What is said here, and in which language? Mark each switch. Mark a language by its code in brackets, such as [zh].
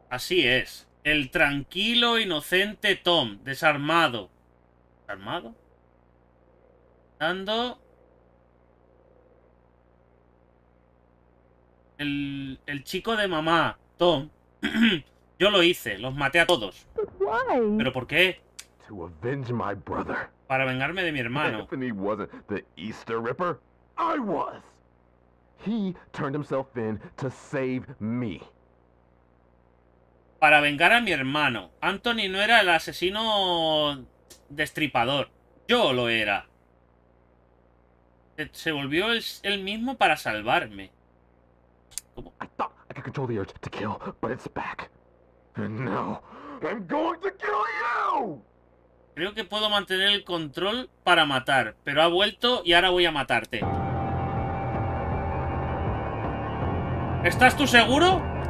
[es] Así es. El tranquilo, inocente Tom, desarmado. ¿Armado? Dando... El chico de mamá, Tom. Yo lo hice, los maté a todos. ¿Pero por qué? [en] To avenge my brother. [es] Para vengarme de mi hermano. [en] Stephanie wasn't the Easter Ripper. I was. He turned himself in to save me. [es] Para vengar a mi hermano. Anthony no era el asesino... destripador. Yo lo era. Se volvió él mismo para salvarme. ¿Cómo? [en] I thought I could control the urge to kill, but it's back. And now, I'm going to kill you! [es] Creo que puedo mantener el control para matar, pero ha vuelto y ahora voy a matarte. ¿Estás tú seguro?